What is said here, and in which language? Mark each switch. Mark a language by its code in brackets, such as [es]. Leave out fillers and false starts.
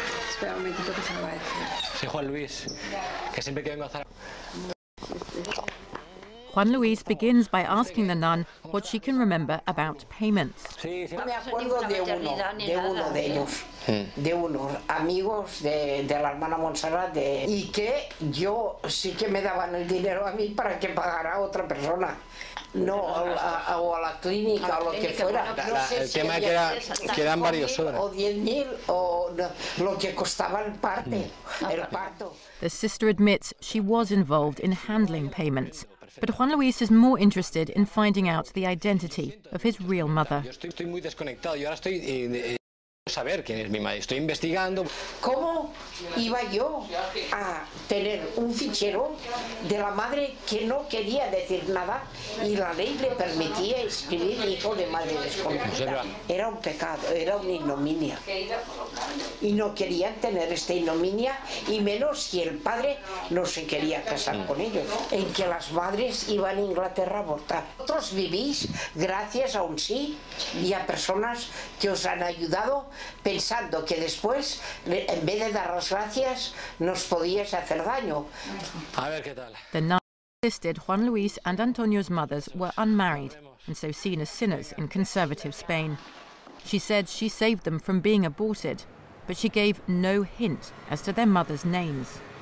[es] Espera un momentito que se me va a decir. Soy Juan Luis, que siempre que vengo a Zara... [en] Juan Luis begins by asking the nun what she can remember about payments. [es] No me acuerdo de uno de ellos, de unos amigos de la hermana Montserrat, y que yo sí que me daban el dinero a mí para que pagara a otra persona. No, o a la clínica, o lo que fuera. El tema era que eran varios horas. O 10.000, o lo que costaba el parto, el parto. [en] The sister admits she was involved in handling payments. But Juan Luis is more interested in finding out the identity of his real mother. [es] Estoy muy desconectado. Yo ahora estoy saber quién es mi madre. Estoy investigando. ¿Cómo iba yo a tener un fichero de la madre que no quería decir nada y la ley le permitía escribir hijo de madre desconocida? Era un pecado, era una ignominia. Y no querían tener esta ignominia, y menos si el padre no se quería casar con ellos. En que las madres iban a Inglaterra a abortar. Vosotros vivís gracias a un sí y a personas que os han ayudado, pensando que después, en vez de dar las gracias, nos podías hacer daño. A ver qué tal. [en] The nun insisted Juan Luis and Antonio's mothers were unmarried and so seen as sinners in conservative Spain. She said she saved them from being aborted, but she gave no hint as to their mothers' names.